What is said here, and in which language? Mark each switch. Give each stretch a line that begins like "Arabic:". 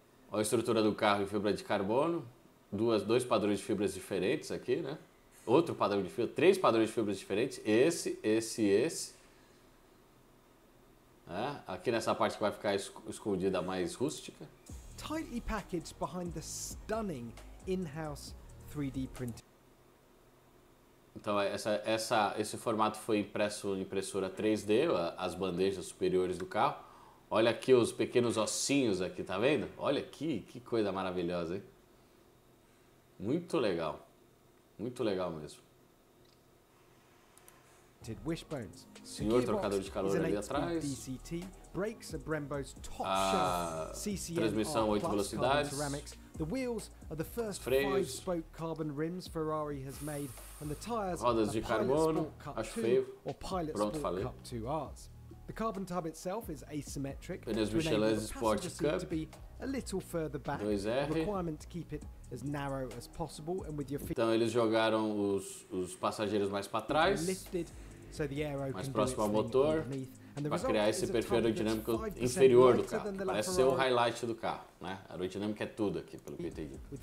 Portuguese: Olha a estrutura do carro em fibra de carbono. Dois padrões de fibras diferentes aqui, né? Outro padrão de fibra, três padrões de fibras diferentes. Esse. É, aqui nessa parte que vai ficar escondida, mais rústica.
English: Tightly packaged behind the stunning in-house 3D print.
Portuguese: Então, esse formato foi impresso em impressora 3D, as bandejas superiores do carro. Olha aqui os pequenos ossinhos aqui, tá vendo? Olha aqui, que coisa maravilhosa, hein? Muito legal mesmo.
English: Wishbones.
Portuguese: Senhor trocador de calor ali atrás.
English: DCT, brakes are Brembo's top shelf.
Portuguese: A transmissão 8 velocidades.
English: The wheels are the first five spoke carbon rims Ferrari has made and the tires
Portuguese: rodas de carbono, acho feio.
English: Or Pilot Sport Cup 2Rs. The carbon tub itself is asymmetric.
Portuguese: Pneus Michelin Sport Cup.
English: A little further back. The requirement to keep it as narrow as possible and with your feet.
Portuguese: Então eles jogaram os passageiros mais para trás.
English: So the aero
Portuguese: mais próximo ao motor, para criar esse perfil aerodinâmico inferior do carro. Parece ser o highlight do carro, né? A aerodinâmica é tudo aqui, pelo que eu entendi.